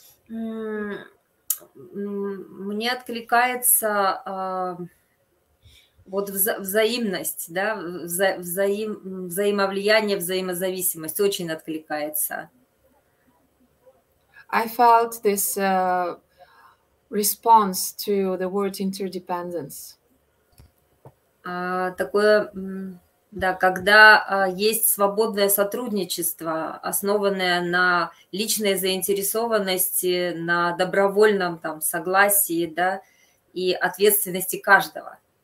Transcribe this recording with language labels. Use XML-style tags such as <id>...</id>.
<ru>Мне откликается вот взаимность, да, взаимовлияние, взаимозависимость очень откликается.</ru> <en>I felt this response to the word interdependence.</en> <ru>Такое Да, когда есть свободное сотрудничество, основанное на личной заинтересованности, на добровольном там согласии, да, и ответственности каждого.</ru>